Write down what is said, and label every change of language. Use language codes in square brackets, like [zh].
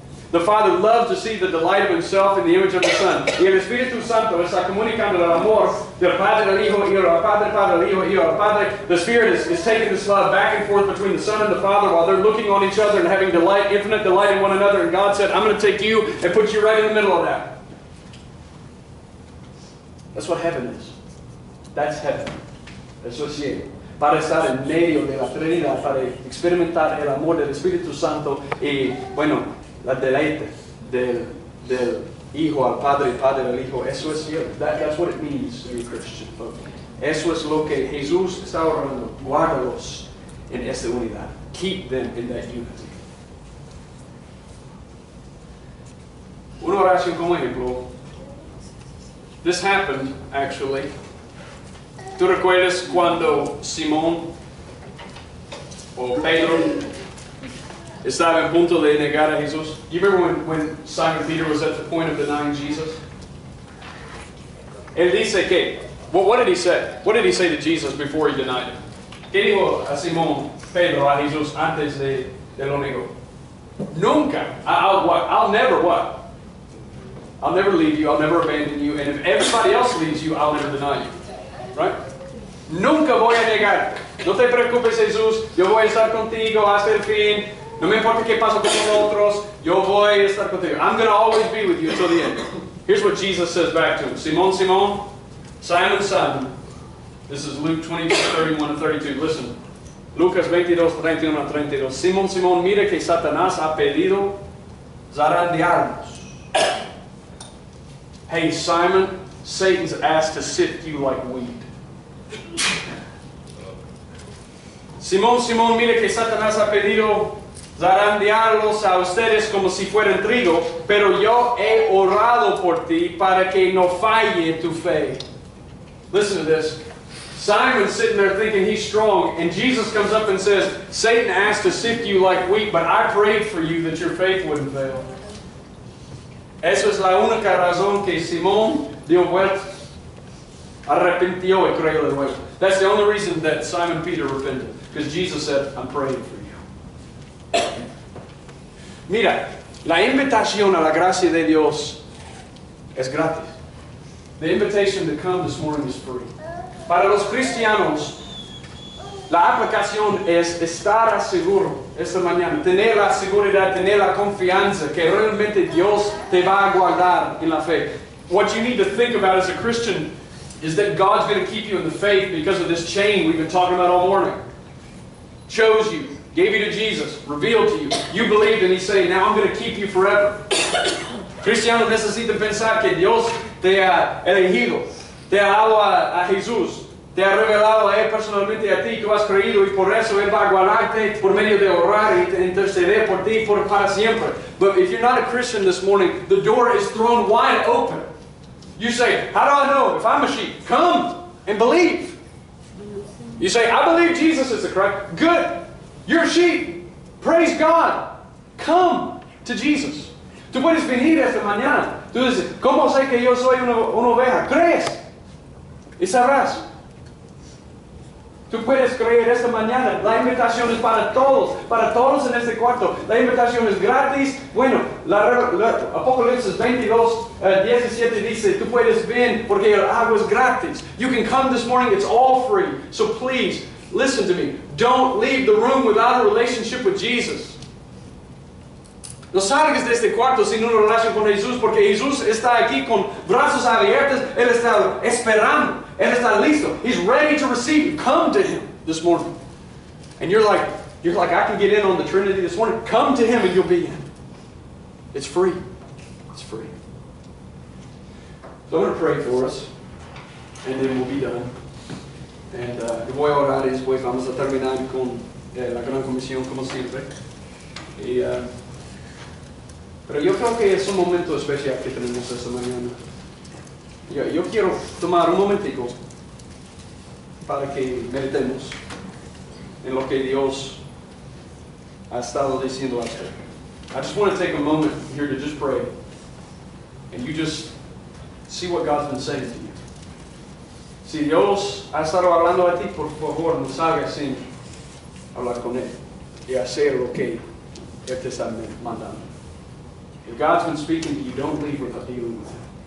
[en] The Father loves to see the delight of himself in the image of the Son. [es] Y el Espíritu Santo está comunicando el amor del Padre al Hijo, Hijo al Padre, Padre al Hijo, Hijo al Padre. [en] The Spirit is taking this love back and forth between the Son and the Father while they're looking on each other and having delight, infinite delight in one another. And God said, I'm going to take you and put you right in the middle of that. That's what heaven is. That's heaven. Associated. [es] Para estar en medio de la Trinidad, para experimentar el amor del Espíritu Santo y, bueno, la deleite del Hijo al Padre y Padre al Hijo. Eso es cielo. [en] That's what it means to be a Christian. [es] Eso es lo que Jesús está orando. Guárdalos en esa unidad. [en] Keep them in that unity. [es] Una oración como ejemplo. [en] This happened, actually. [es] ¿Tú recuerdas cuando Simón o Pedro estaba en punto de negar a Jesús? [en] You remember when Simon Peter was at the point of denying Jesus? [es] Él dice que, [en] well, what did he say? What did he say to Jesus before he denied him? [es] ¿Qué dijo a Simón Pedro a Jesús antes de lo negó? Nunca. [en] I'll never leave you, I'll never abandon you, and if everybody else leaves you, I'll never deny you. [es] Right? Nunca voy a negar. No te preocupes, Jesús. Yo voy a estar contigo hasta el fin. No me importa qué pasa con los otros. Yo voy a estar contigo. [en] I'm going to always be with you until the end. Here's what Jesus says back to him. Simón, Simón. Simon, Simon. This is Luke 22:31-32. Listen. Lucas 22:31-32. [es] Simón, Simón, mira que Satanás ha pedido zarandearnos. [en] Hey, Simon, Satan's asked to sift you like wheat. [es] Simón, Simón, mire que Satanás ha pedido zarandearlos a ustedes como si fueran trigo, pero yo he orado por ti para que no falle tu fe. [en] Listen to this. Simon's sitting there thinking he's strong, and Jesus comes up and says, Satan asked to sift you like wheat, but I prayed for you that your faith wouldn't fail. [es] Eso es la única razón que Simón dio vueltas. Arrepintió y creyó de nuevo. [en] That's the only reason that Simon Peter repented. Because Jesus said, I'm praying for you. [es] Mira, la invitación a la gracia de Dios es gratis. [en] The invitation to come this morning is free. [es] Para los cristianos, la aplicación es estar seguro esta mañana, tener la seguridad, tener la confianza que realmente Dios te va a guardar en la fe. [en] What you need to think about as a Christian is that God's going to keep you in the faith because of this chain we've been talking about all morning. Chose you, gave you to Jesus, revealed to you. You believed and He's saying, now I'm going to keep you forever. [es] Cristiano necesita pensar que Dios te ha elegido, te ha dado a Jesús. Te ha revelado a Él personalmente a ti, tú has creído y por eso Él va a guardarte por medio de orar y interceder por ti por para siempre. [en] But if you're not a Christian this morning, the door is thrown wide open. You say, how do I know if I'm a sheep? Come and believe. You say, I believe Jesus is the Christ. Good. You're a sheep. Praise God. Come to Jesus. [es] Tú puedes venir esta mañana. Tú dices, ¿cómo sé que yo soy una oveja? ¿Crees? Y sabrás. Tú puedes creer esta mañana. La invitación es para todos en este cuarto. La invitación es gratis. Bueno, la Apocalipsis 22:17 dice, tú puedes venir porque el agua es gratis. [en] You can come this morning, it's all free. So please, listen to me. Don't leave the room without a relationship with Jesus. [es] No salgas de este cuarto sin una relación con Jesús, porque Jesús está aquí con brazos abiertos. Él está esperando. Él está listo. [en] He's ready to receive you. Come to Him this morning. And you're like, I can get in on the Trinity this morning. Come to Him and you'll be in. It's free. It's free. So I'm going to pray for us. And then we'll be done. And [es] voy a orar y después vamos a terminar con la gran comisión como siempre. Pero yo creo que es un momento especial que tenemos esta mañana. Yo quiero tomar un momentico para que meditemos en lo que Dios ha estado diciendo a usted. [en] I just want to take a moment here to just pray. And you just see what God's been saying to you. [es] Si Dios ha estado hablando a ti, por favor, no salgas sin hablar con Él y hacer lo que Él te está mandando. [en] If God's been speaking to you, don't leave without dealing with Him.